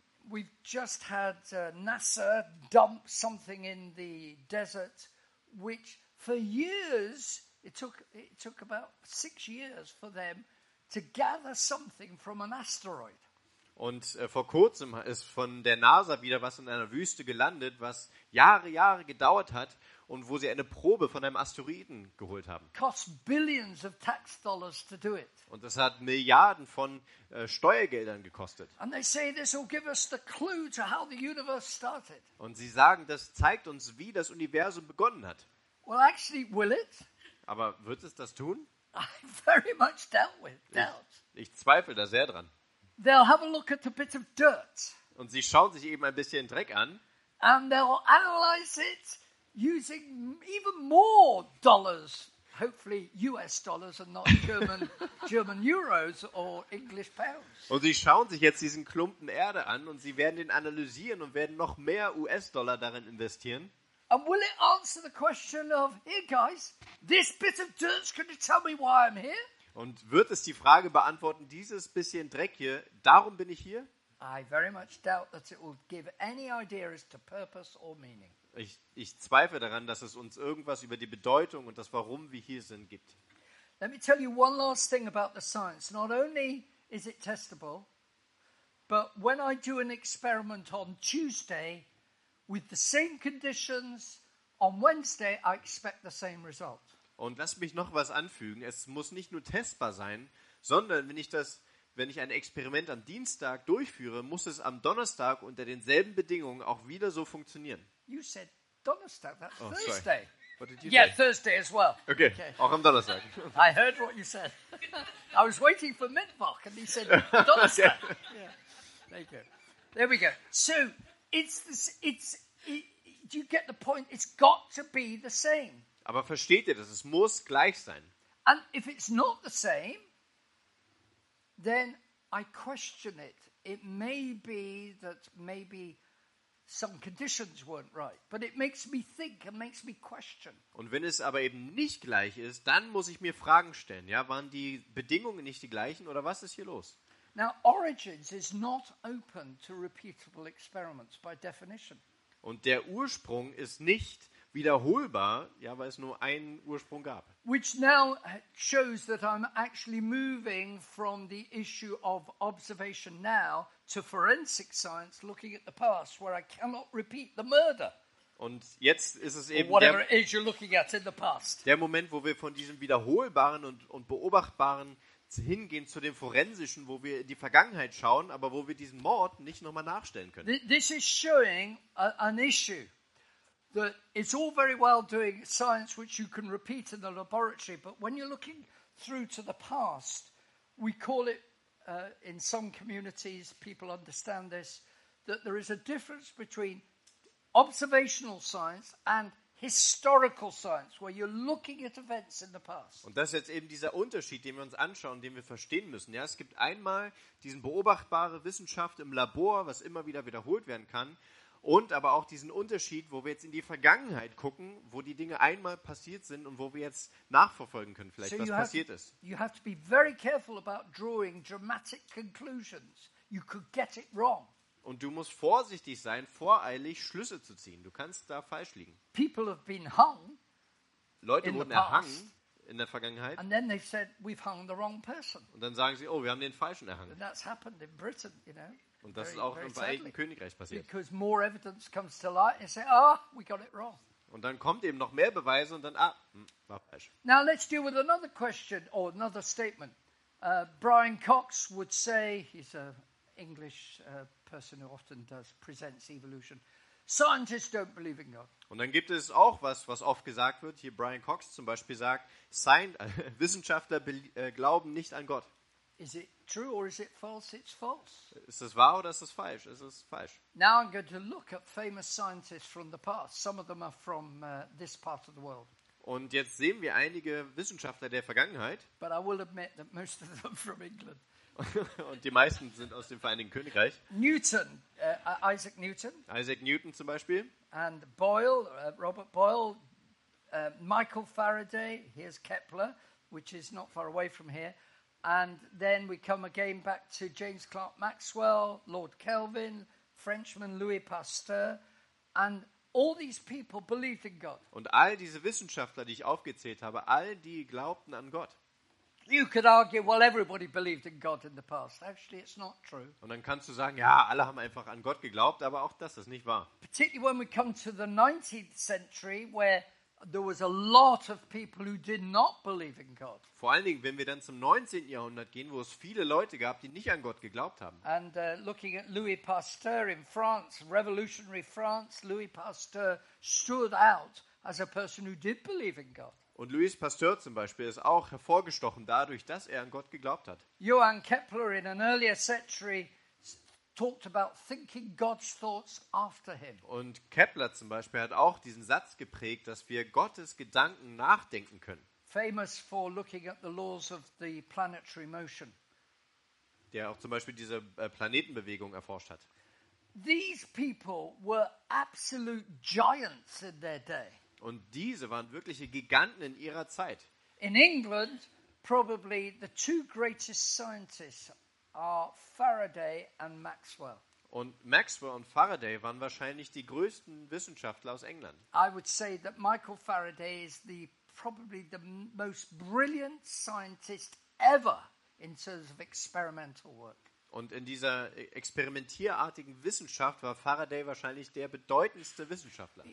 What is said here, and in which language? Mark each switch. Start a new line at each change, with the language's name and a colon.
English: We've just had NASA dump something in the desert, which for years it took about 6 years for them to gather something from an asteroid.
German: Und vor kurzem ist von der NASA wieder was in einer Wüste gelandet, was Jahre gedauert hat und wo sie eine Probe von einem Asteroiden geholt haben.
English: Cost billions of tax dollars to do it.
German: Und das hat Milliarden von Steuergeldern gekostet.
English: And they say this will give us the clue to how the universe started.
German: Und sie sagen, das zeigt uns, wie das Universum begonnen hat.
English: Well, actually, will it?
German: Aber wird es das tun?
English: I very much doubt.
German: Ich zweifle da sehr dran.
English: They'll have a look at a bit of dirt.
German: Und sie schauen sich eben ein bisschen Dreck an.
English: And they'll analyze it using even more dollars, hopefully US dollars and not German euros or English pounds.
German: Und sie schauen sich jetzt diesen Klumpen Erde an und sie werden den analysieren und werden noch mehr US-Dollar darin investieren.
English: And will it answer the question of, here guys, this bit of dirt, can you tell me why I'm here?
German: Und wird es die Frage beantworten, dieses bisschen Dreck hier, darum bin ich hier?
English: I very much doubt that it will give any idea as to purpose or meaning.
German: Ich zweifle daran, dass es uns irgendwas über die Bedeutung und das Warum wir hier sind gibt.
English: Let me tell you one last thing about the science. Not only is it testable, but when I do an experiment on Tuesday with the same conditions, on Wednesday I expect the same result.
German: Und lass mich noch was anfügen. Es muss nicht nur testbar sein, sondern wenn ich ein Experiment am Dienstag durchführe, muss es am Donnerstag unter denselben Bedingungen auch wieder so funktionieren.
English: You said Donnerstag, that's Thursday. Sorry. What did you say? Thursday as well.
German: Okay. Auch am Donnerstag.
English: I heard what you said. I was waiting for Mittwoch and he said Donnerstag. Yeah. There we go. So, do you get the point? It's got to be the same.
German: Aber versteht ihr das? Es muss gleich sein.
English: And if it's not the same, then I question it. It may be that maybe some conditions weren't right, but it makes me think and makes me question.
German: Und wenn es aber eben nicht gleich ist, dann muss ich mir Fragen stellen. Ja, waren die Bedingungen nicht die gleichen oder was ist hier los?
English: Now, Origins is not open to repeatable experiments by definition.
German: Und der Ursprung ist nicht wiederholbar, ja, weil es nur einen Ursprung gab.
English: Which now shows that I'm actually moving from the issue of observation now to forensic science, looking at the past, where I cannot repeat the murder.
German: Und jetzt ist es eben der Moment, wo wir von diesem Wiederholbaren und Beobachtbaren hingehen zu dem Forensischen, wo wir in die Vergangenheit schauen, aber wo wir diesen Mord nicht nochmal nachstellen können.
English: This is showing an issue. That it's all very well doing science which you can repeat in the laboratory, but when you're looking through to the past, we call it in some communities, people understand this, that there is a difference between observational science and historical science, where you're looking at events in the past.
German: Und das ist jetzt eben dieser Unterschied, den wir uns anschauen, den wir verstehen müssen. Ja, es gibt einmal diesen beobachtbare Wissenschaft im Labor, was immer wieder wiederholt werden kann, und aber auch diesen Unterschied, wo wir jetzt in die Vergangenheit gucken, wo die Dinge einmal passiert sind und wo wir jetzt nachverfolgen können, vielleicht, was passiert ist.
English: You have to be very careful about drawing dramatic conclusions. You could get it wrong.
German: Und du musst vorsichtig sein, voreilig Schlüsse zu ziehen. Du kannst da falsch liegen.
English: People have been hung.
German: Leute wurden erhangen in der Vergangenheit.
English: And then they've said, we've hung the wrong person.
German: Und dann sagen sie, oh, wir haben den Falschen erhangen.
English: And that's happened in Britain, you know.
German: Und das ist auch im Vereinigten Königreich passiert.
English: Because more evidence comes to light and say, ah, we got it wrong.
German: Und dann kommt eben noch mehr Beweise und dann, ah, war falsch.
English: Now let's deal with another question or another statement. Brian Cox would say, he's an English person who often does presents evolution. Scientists don't believe in God.
German: Und dann gibt es auch was oft gesagt wird. Hier Brian Cox zum Beispiel sagt, Wissenschaftler glauben nicht an Gott.
English: Is it true or is it false? It's false.
German: Ist es wahr oder ist es falsch? Es ist falsch.
English: Now I'm going to look at famous scientists from the past. Some of them are from this part of the world.
German: Und jetzt sehen wir einige Wissenschaftler der Vergangenheit.
English: But I will admit that most of them from England.
German: Und die meisten sind aus dem Vereinigten Königreich.
English: Newton, Isaac Newton.
German: Isaac Newton zum Beispiel.
English: And Boyle, Robert Boyle, Michael Faraday. Here's Kepler, which is not far away from here. And then we come again back to James Clerk Maxwell, Lord Kelvin, Frenchman Louis Pasteur, and all these people believed in God.
German: Und all diese Wissenschaftler, die ich aufgezählt habe, all die glaubten an Gott.
English: You could argue, well, everybody believed in God in the past. Actually, it's not true.
German: Und dann kannst du sagen, ja, alle haben einfach an Gott geglaubt, aber auch das ist nicht wahr.
English: Particularly when we come to the 19th century, where there was a lot of people who did not believe in God.
German: Vor allen Dingen, wenn wir dann zum 19. Jahrhundert gehen, wo es viele Leute gab, die nicht an Gott geglaubt haben.
English: And looking at Louis Pasteur in France, revolutionary France, Louis Pasteur stood out as a person who did believe in God.
German: Und Louis Pasteur zum Beispiel ist auch hervorgestochen dadurch, dass er an Gott geglaubt hat.
English: Johann Kepler in an earlier century talked about thinking God's thoughts after him.
German: Und Kepler zum Beispiel hat auch diesen Satz geprägt, dass wir Gottes Gedanken nachdenken können.
English: Famous for looking at the laws of the planetary motion.
German: Der auch zum Beispiel diese Planetenbewegung erforscht hat.
English: These people were absolute giants in their day.
German: Und diese waren wirkliche Giganten in ihrer Zeit.
English: In England, probably the two greatest scientists are Faraday and Maxwell.
German: Und Maxwell und Faraday waren wahrscheinlich die größten Wissenschaftler aus England.
English: I would say that Michael Faraday is the probably the most brilliant scientist ever in terms of experimental work.
German: Und in dieser experimentierartigen Wissenschaft war Faraday wahrscheinlich der bedeutendste Wissenschaftler.